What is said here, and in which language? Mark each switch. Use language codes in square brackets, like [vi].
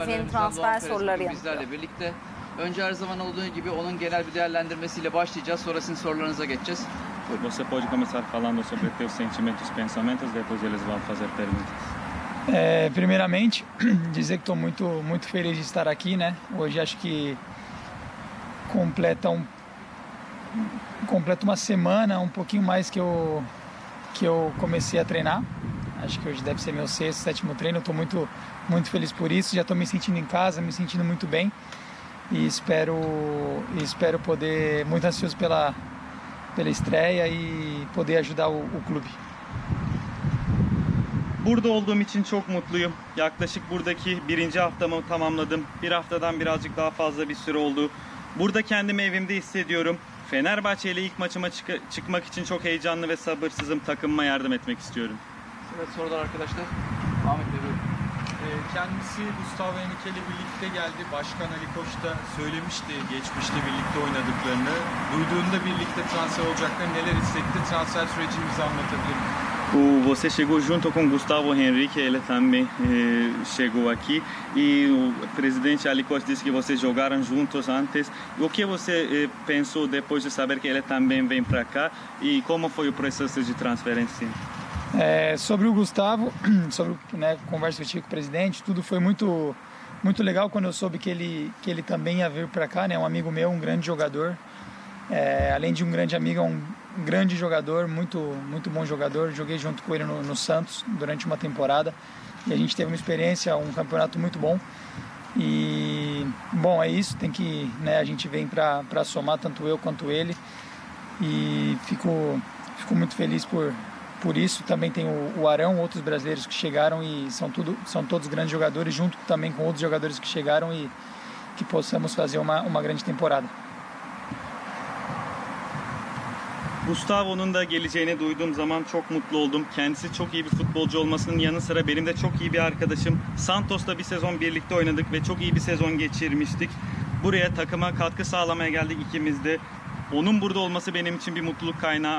[tr] Film transfer soruları bizlerle birlikte. Önce her zaman olduğu gibi onun genel bir değerlendirmesiyle başlayacağız. Sonra sizin sorularınıza geçeceğiz. [pt] Você pode começar falando sobre teus sentimentos, pensamentos, depois eles vão fazer perguntas. Primeiramente, dizer que estou muito, muito feliz de estar aqui, né? Hoje acho que completa uma semana, um pouquinho mais que eu comecei a treinar. Acho que hoje deve ser meu sexto, sétimo treino. Estou muito, muito feliz por isso. Já estou me sentindo em casa, me sentindo muito bem. E espero poder, muito ansioso pela estreia e poder ajudar o clube. [tr] Burada olduğum için çok mutluyum. Yaklaşık buradaki birinci haftamı tamamladım. Bir haftadan birazcık daha fazla bir süre oldu. Burada kendimi evimde hissediyorum. Fenerbahçe ile ilk maçıma çıkmak için çok heyecanlı ve sabırsızım. Takımıma yardım etmek istiyorum. Evet, sorular arkadaşlar. Ahmet Bey, kendisi Gustavo Henrique ile birlikte geldi. Başkan Ali Koç da söylemişti geçmişte birlikte oynadıklarını. Duyduğunda birlikte transfer olacaklar. Neler hissetti? Transfer sürecini bize anlatabilir miyim? [pt] Você chegou junto com Gustavo Henrique, ele também chegou aqui. E o presidente Ali Koç disse que vocês jogaram juntos antes. O que você pensou depois de saber que ele também vem para cá? E como foi o processo de transferência? Sobre o Gustavo, sobre né, a conversa que eu tive com o presidente, tudo foi muito, muito legal quando eu soube que ele também ia vir para cá. Né, um amigo meu, um grande jogador. Além de um grande amigo, um grande jogador, muito, muito bom jogador. Joguei junto com ele no Santos durante uma temporada. E a gente teve uma experiência, um campeonato muito bom. E, bom, é isso. Tem que, né, a gente vem para somar, tanto eu quanto ele. E fico muito feliz por isso. Também tem o Arão, outros brasileiros que chegaram e são todos grandes jogadores, junto também com outros jogadores que chegaram e que possamos fazer uma grande temporada. [tr] Gustavo'nun da geleceğini duyduğum zaman çok mutlu oldum. Kendisi çok iyi bir futbolcu olmasının yanı sıra benim de çok iyi bir arkadaşım. Santos'ta bir sezon birlikte oynadık ve çok iyi bir sezon geçirmiştik. Buraya takıma katkı sağlamaya geldik ikimiz de. Onun burada olması benim için bir mutluluk kaynağı.